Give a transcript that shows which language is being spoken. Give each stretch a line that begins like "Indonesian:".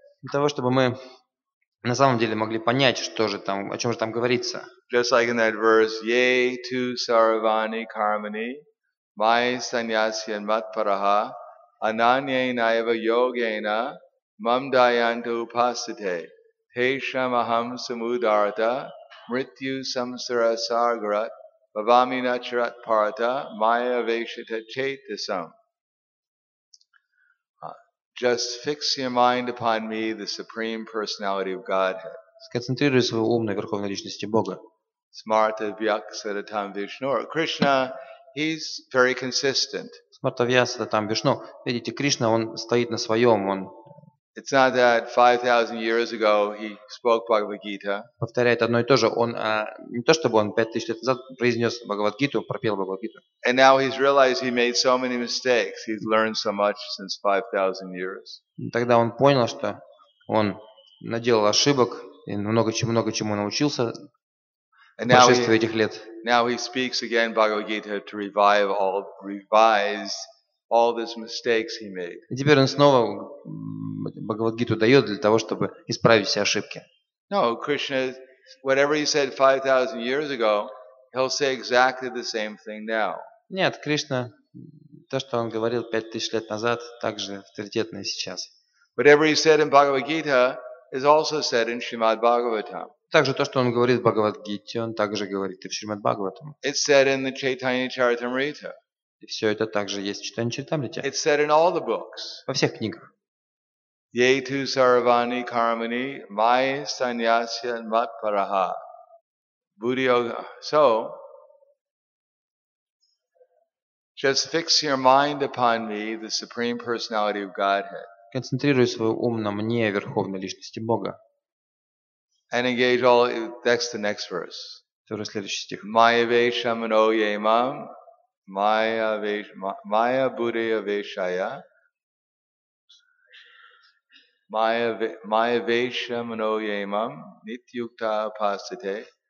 Russian: Для того, чтобы мы на самом деле могли понять, что же там, о чем же там говорится.
English: Just like in that verse,
Sanskrit: Ye tu sarvani karmani, mai sannyasyan matparaha, ananye naiva yogena, mamdayanta upasate, tesham aham samudarta, mrityu samsara sagrat, bhavami nacharat parta, maya veshita chetasam.
English: Just fix your mind upon me, the Supreme Personality of Godhead.
Russian: Сконцентрируй свой ум на Верховной Личности Бога.
Sanskrit: Smarta Vyaksata Tam Vishnu.
English: Krishna, he's very consistent.
Sanskrit: Smarta Vyaksata Tam Vishnu.
Russian: Видите, Кришна, он стоит на своем. Он...
English: It's not that 5,000 years ago he spoke Bhagavad Gita.
Russian: Повторяет одно и то же. Он не то чтобы он 5,000 лет назад произнес Бхагавад Гиту, пропел Бхагавад Гиту.
English: And now he's realized he made so many mistakes. He's learned so much since 5,000 years.
Russian: Тогда он понял, что он наделал ошибок и много чему научился в большинстве этих лет.
English: Now he speaks again Bhagavad Gita to revise all these mistakes he made.
Russian: И теперь он снова Бхагавад-гиту дает для того, чтобы исправить все ошибки.
English: No, Krishna, whatever he said 5,000 years ago, he'll say exactly the same thing now.
Russian: Нет, Кришна, то, что он говорил 5,000 лет назад, также авторитетно сейчас.
English: Whatever he said in Bhagavad-gita is also said in Śrīmad-Bhāgavatam.
Russian: Также то, что он говорит в Бхагавад-гите, он также говорит и в Śrīmad-Bhāgavatam.
English: It's said in the Chaitanya Charitamrita.
Russian: И все это также есть в Chaitanya Charitamrita.
English: It's said in all the books.
Russian: Во всех книгах.
Sanskrit: Ye tu sarvani karmani mai sannyasya matparaha. Buddhi yoga.
English: So, just fix your mind upon me, the Supreme Personality of Godhead.
Russian: Концентрируй свой ум на мне, Верховной Личности Бога.
English: And engage all, that's the next verse.
Russian: Это следующий стих.
Sanskrit: Maya veshamano yemam, maya buddhi yaveshaya. Maya Veshamano Yamam Nityukta Pasate.